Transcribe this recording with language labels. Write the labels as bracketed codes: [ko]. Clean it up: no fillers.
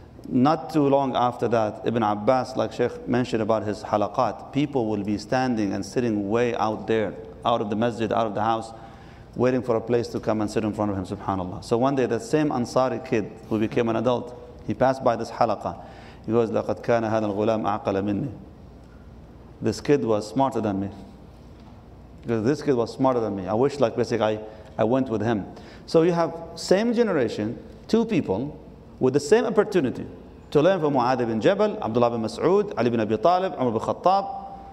[en] Not too long after that, Ibn Abbas, like Sheikh mentioned about his halaqat, people will be standing and sitting way out there, out of the masjid, out of the house, waiting for a place to come and sit in front of him, subhanAllah. So one day, that same Ansari kid who became an adult, he passed by this halaqa. He goes, [ar] "لَقَدْ كَانَ هَذَا الْغُلَامُ أَعْقَلَ مِنِّي." [en] This kid was smarter than me. Because this kid was smarter than me. I wish, like, basically, I went with him. So you have same generation, two people, with the same opportunity to learn from Mu'adh ibn Jabal, Abdullah ibn Mas'ud, Ali ibn Abi Talib, Umar ibn Khattab.